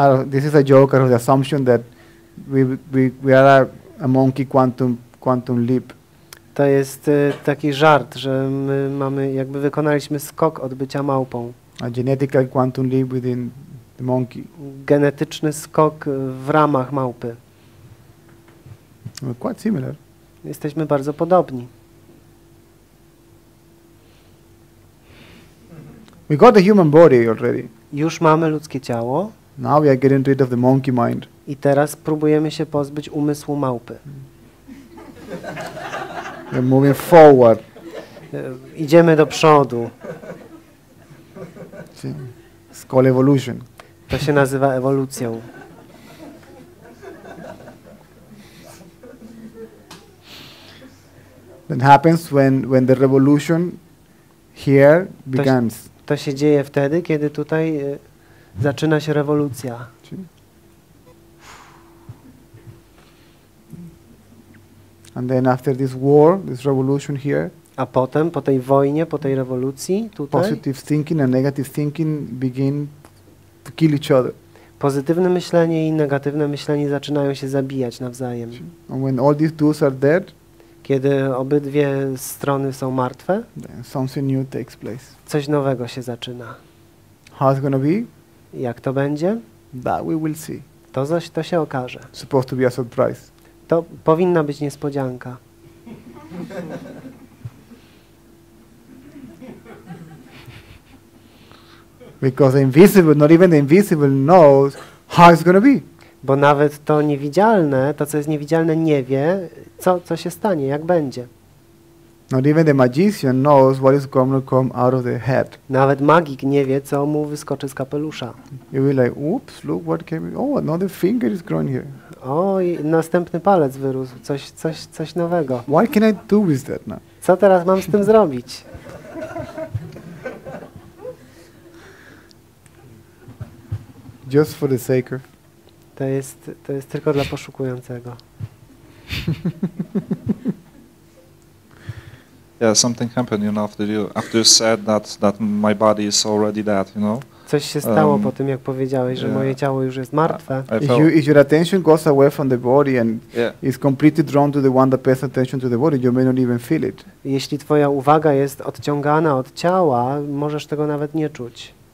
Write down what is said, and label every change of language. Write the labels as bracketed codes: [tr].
[en] This is a joke out of the assumption that We are a monkey quantum leap. [pl] To jest taki żart, że my mamy, jakby wykonaliśmy skok od bycia małpą. [en] A genetical quantum leap within the monkey. [pl] Genetyczny skok w ramach małpy. [en] We're quite similar. [pl] Jesteśmy bardzo podobni. [en] We got the human body already. [pl] Już mamy ludzkie ciało. [en] Now we are getting rid of the monkey mind. [pl] I teraz próbujemy się pozbyć umysłu małpy. [en] We're moving forward. [pl] Idziemy do przodu. [en] It's called evolution. [pl] To się nazywa ewolucją. [en] It happens when the revolution here begins. [pl] To się dzieje wtedy, kiedy tutaj zaczyna się rewolucja. [en] And then after this war, this revolution here. [pl] A potem po tej wojnie, po tej rewolucji tutaj. [en] Positive thinking and negative thinking begin to kill each other. [pl] Pozytywne myślenie i negatywne myślenie zaczynają się zabijać nawzajem. [en] And when all these tools are dead, [pl] kiedy obydwie strony są martwe, [en] then something new takes place. [pl] Coś nowego się zaczyna. [en] How it's gonna be? [pl] Jak to będzie? [en] That we will see. [pl] To się okaże. [en] Supposed to be a surprise. [pl] To powinna być niespodzianka. [en] Because the invisible, not even the invisible knows how it's gonna be. [pl] Bo nawet to niewidzialne, to co jest niewidzialne, nie wie, co się stanie, jak będzie. [en] Not even the magician knows what is gonna come out of the head. [pl] Nawet magik nie wie, co mu wyskoczy z kapelusza. [en] You will be like, oops, look what came. Oh, another finger is growing here. [pl] O, i następny palec wyrósł, coś nowego. [en] What can I do with that now? [pl] Co teraz mam z tym zrobić? [en] Just for the sake of. [pl] To jest tylko dla poszukującego. [en] Yeah, something happened, you know, after you said that my body is already dead, you know. [pl] Coś się stało po tym, jak powiedziałeś, że moje ciało już jest martwe. [en] If your attention goes away from the body and is completely drawn to the one that pays attention to the body, you may not even feel it. [pl] Jeśli twoja uwaga jest odciągana od ciała, możesz tego nawet nie czuć.